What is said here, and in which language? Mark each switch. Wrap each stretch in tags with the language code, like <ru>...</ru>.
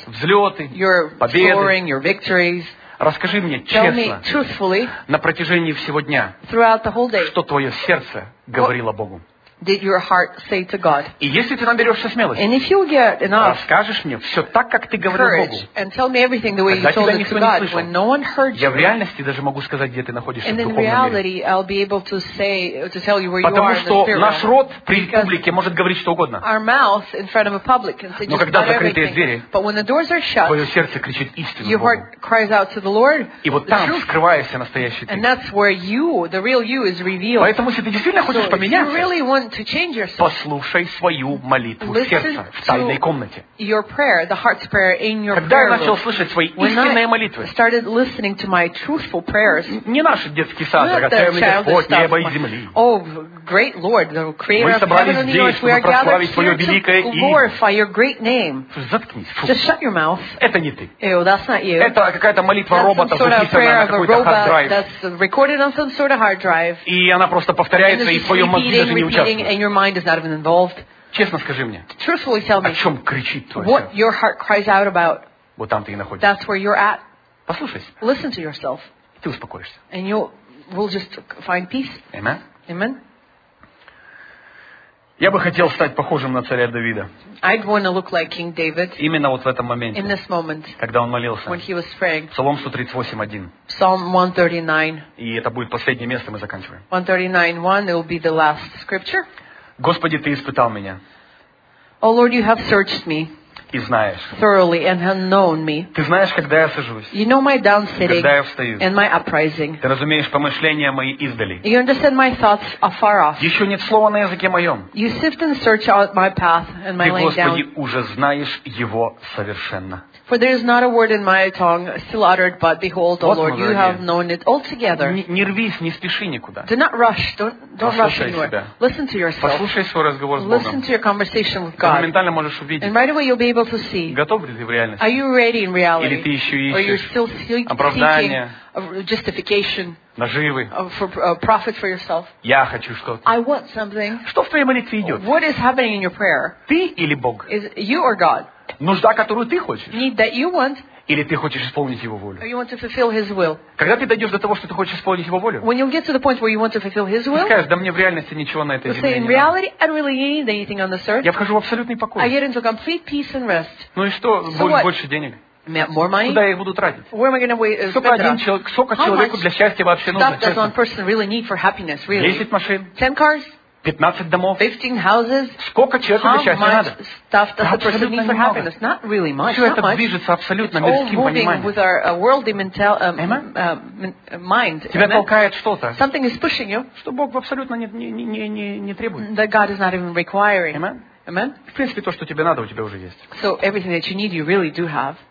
<ru>Взлеты.</ru> <en>Your</en> <ru>победы.</ru> <en>Scoring, your victories.</en> <ru>Расскажи мне честно. На протяжении всего дня.</ru> <en>Throughout the whole day.</en> <ru>Что твое сердце говорило Богу.</ru> <en>Did your heart say to God?</en> <ru>И если ты наберешься смелости, расскажешь мне все так, как ты говорил Богу,</ru> <en>and tell me everything the way you told it to God, when no one heard you,</en> <ru>я в реальности даже могу сказать, где ты находишься</ru> <en>and</en> <ru>в духовном мире.</ru> <en>I'll be able to say, to tell you where</en> <ru>потому</ru> <en>you are</en> <ru>что наш рот при публике может говорить что угодно.</ru> <en>Our mouth in front of a public can say</en> <ru>но когда закрытые Двери,</ru> <en>shut,</en> <ru>твое сердце кричит истину</ru> <en>your</en> <ru>Богу.</ru> <en>Heart cries out to the Lord,</en> <ru>и вот там скрываешься настоящий</ru> <en>and That's where you, the real you, is revealed.</en> <ru>Поэтому если ты действительно хочешь</ru> <en>so</en> <ru>поменяться,</ru> <en>if you really want to change yourself.</en> <ru>Послушай свою молитву сердца в тайной комнате.</ru> <en>Your prayer, the heart's prayer in your</en> <ru>когда я начал слышать свои истинные молитвы,</ru> <en>started listening to my truthful prayers.</en> <ru>Не наш детский сад, Господь, небо и земли.</ru> <en>Oh, great Lord, the creator of heaven and the earth, we are gathered here to glorify your great name.</en> <ru>Заткнись.</ru> <en>Just shut your mouth.</en> <ru>Это не ты.</ru> <en>Ew, that's not you.</en> <ru>Это какая-то молитва робота, записанная на какой-то hard drive.</ru> <en>That's recorded on some sort of hard drive.</en> <ru>И она просто повторяется, и твоё мозг даже не участвует.</ru> <en>And your mind is not even involved.</en> <ru>Честно скажи мне.</ru> <en>Truthfully tell me.</en> <ru>О чем кричит твое сердце?</ru> <en>What your heart cries out about.</en> <ru>Вот там ты и находишься.</ru> <en>That's where you're at.</en> <ru>Послушай.</ru> <en>Listen to yourself.</en> <ru>Ты успокоишься.</ru> <en>And you will just find peace. Amen. Amen.</en> <ru>Я бы хотел стать похожим на царя Давида.</ru> <en>I'd want to look like King David.</en> <ru>Именно вот в этом моменте.</ru> <en>In this moment.</en> <ru>Когда он молился.</ru> <en>When he was praying.</en> <ru>Псалом 138:1.</ru> <en>Psalm 139.</en> <ru>И это будет последнее место, мы заканчиваем.</ru> <en>139:1, it will be the last scripture.</en> <ru>Господи, ты испытал меня.</ru> <en>O Lord, you have searched me.</en> <ru>И знаешь.</ru> <en>Thoroughly and have known me.</en> <ru>Ты знаешь, когда я сажусь.</ru> <en>You know my down sitting.</en> <ru>Когда я встаю.</ru> <en>And my uprising.</en> <ru>Ты разумеешь помышления мои издали.</ru> <en>You understand my thoughts afar off.</en> <ru>Еще нет слова на языке моем.</ru> <en>You sift and search out my path and my laying down.</en> <ru>Ты, Господи, уже знаешь его совершенно.</ru> <en>For there is not a word in my tongue still uttered, but behold,</en> <ru>вот</ru> <en>O Lord, you have known it altogether.</en> <ru>Не рвись, не спеши никуда.</ru> <en>Do not rush. Don't rush anywhere.</en> <ru>Себя.</ru> <en>Listen to yourself.</en> <ru>Послушай свой разговор с Богом.</ru> <en>Listen to your conversation with God.</en> <ru>Моментально можешь увидеть.</ru> <en>And right away you'll be able to see.</en> <ru>Готов ли ты в реальности?</ru> <en>Are you ready in reality?</en> <ru>Или ты еще ищешь?</ru> <en>Or you're still seeking</en> <ru>оправдание,</ru> <en>justification,</en> <ru>наживы,</ru> <en>profit for yourself?</en> <ru>Я хочу что-то.</ru> <en>I want something.</en> <ru>Что в твоей молитве идет?</ru> <en>What is happening in your prayer?</en> <ru>Ты или Бог?</ru> <en>Is it you or God?</en> <ru>Нужда, которую ты хочешь?</ru> <en>Need that you want.</en> <ru>Или ты хочешь исполнить его волю?</ru> <en>Or you want to fulfill his will.</en> <ru>Когда ты дойдешь до того, что ты хочешь исполнить его волю?</ru> <en>When you'll get to the point where you want to fulfill his will.</en> <ru>Ты скажешь, да мне в реальности ничего на этой земле не надо.</ru> <en>In reality, I don't really need anything on this earth.</en> <ru>Я вхожу в абсолютный покой.</ru> <en>I get into complete peace and rest.</en> <ru>Ну и что?</ru> <en>So</en> <ru>больше</ru> <en>what?</en> <ru>Денег?</ru> <en>More money?</en> <ru>Куда я их буду тратить?</ru> <en>Where am I going to wait?</en> <ru>Сколько один человек, сколько человеку для счастья вообще нужно?</ru> <en>Stuff does one person really need for happiness, really?</en> <ru>10 машин?</ru> <en>10 cars?</en> <ru>15 домов.</ru> <en>15 houses.</en> <ru>Сколько человеку для счастья надо?</ru> <en>How much stuff does a person need for happiness? Not really much.</en> <ru>Все это движется абсолютно мирским пониманием.</ru> <en>It's all moving with our worldly mental mind.</en> <ru>Тебя толкает что-то.</ru> <en>Something is pushing you.</en> <ru>Что Бог абсолютно не требует.</ru> <en>That God is not even requiring. Amen.</en> <ru>В принципе, то, что тебе надо, у тебя уже есть.</ru> <en>So everything that you need, you really do have.</en>